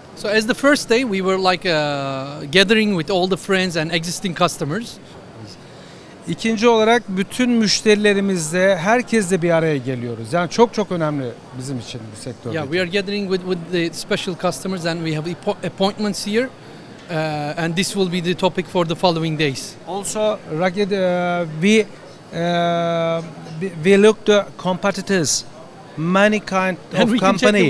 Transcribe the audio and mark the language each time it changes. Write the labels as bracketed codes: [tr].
[en] So as the first day, we were like gathering with all the friends and existing customers. [tr] İkinci olarak bütün müşterilerimizle, herkesle bir araya geliyoruz. Yani çok çok önemli bizim için bu sektörde. [en] Yeah, we are gathering with the special customers and we have appointments here. And this will be the topic for the following days. Also, we look the competitors, many kind of and we company.